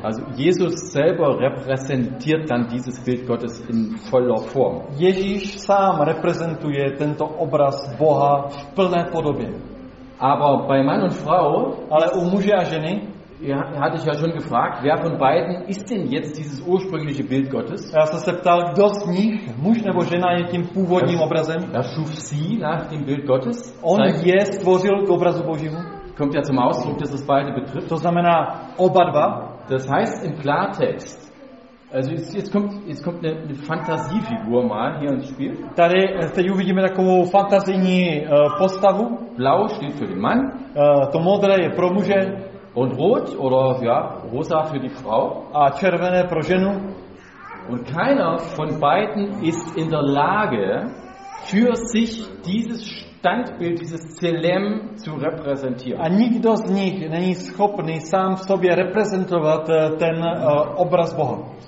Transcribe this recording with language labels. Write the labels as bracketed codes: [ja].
[de] Also Jesus selber repräsentiert dann dieses Bild Gottes in voller Form. [cs] Ježíš sám reprezentuje tento obraz Boha v plné podobě. [de] Aber bei Mann und Frau, [cs] ale u muže a ženy, [de] hatte ich ja schon gefragt, wer von beiden ist denn jetzt dieses ursprüngliche Bild Gottes? [cs] Já jsem se ptal, kdo z nich, muž nebo žena, je tím původním obrazem? [de] Er schuf sie nach dem Bild Gottes. [cs] On je stvořil k obrazu Božímu. [de] Kommt ja zum Ausdruck, dass es beide betrifft. [cs] To znamená oba dva. [de] Das heißt im Klartext, also jetzt kommt eine Fantasiefigur mal hier ins Spiel. [cs] Tady teď uvidíme takovou fantazijní postavu. [de] Blau steht für den Mann. [cs] To modré je pro muže. [de] Und rot oder ja, rosa für die Frau. [cs] A červené pro ženu. [de] Und keiner von beiden ist in der Lage, für sich dieses Standbild, dieses Zelem zu repräsentieren. [cs] A nikdo z nich není schopný sám v sobě reprezentovat ten obraz Boha.